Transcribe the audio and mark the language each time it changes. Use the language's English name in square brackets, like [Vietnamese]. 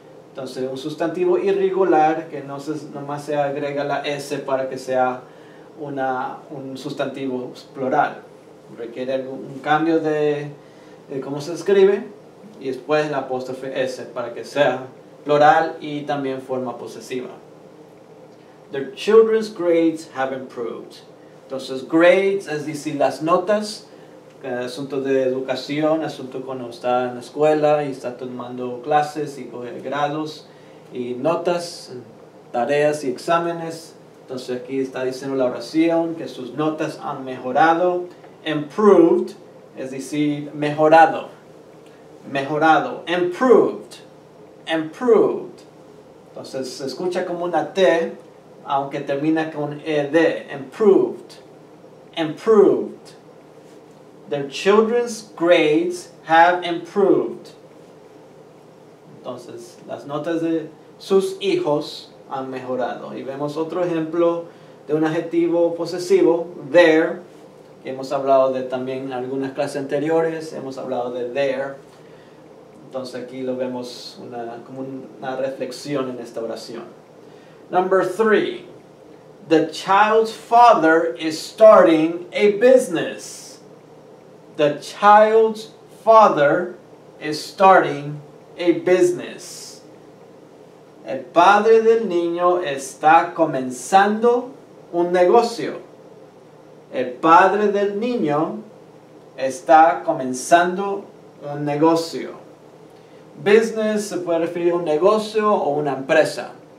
[Spanish] Entonces, un sustantivo irregular que nomás se agrega la S para que sea un sustantivo plural. Requiere un cambio de cómo se escribe y después la apóstrofe S para que sea plural y también forma posesiva. [English] Their children's grades have improved. [Spanish] Entonces, grades, es decir, las notas. Asunto de educación, asunto cuando está en la escuela y está tomando clases y coge grados y notas, tareas y exámenes. Entonces aquí está diciendo la oración que sus notas han mejorado. Improved, es decir, mejorado. Mejorado. Improved. Improved. Entonces se escucha como una T, aunque termina con ED. [English] Improved. Improved. Their children's grades have improved. [Spanish] Entonces, las notas de sus hijos han mejorado. Y vemos otro ejemplo. de un adjetivo posesivo, there, que hemos hablado de también en algunas clases anteriores, hemos hablado de there. Entonces aquí lo vemos como una reflexión en esta oración. [English] Number three, the child's father is starting a business. The child's father is starting a business. [Spanish] El padre del niño está comenzando un negocio. El padre del niño está comenzando un negocio. Business se puede referir a un negocio o una empresa.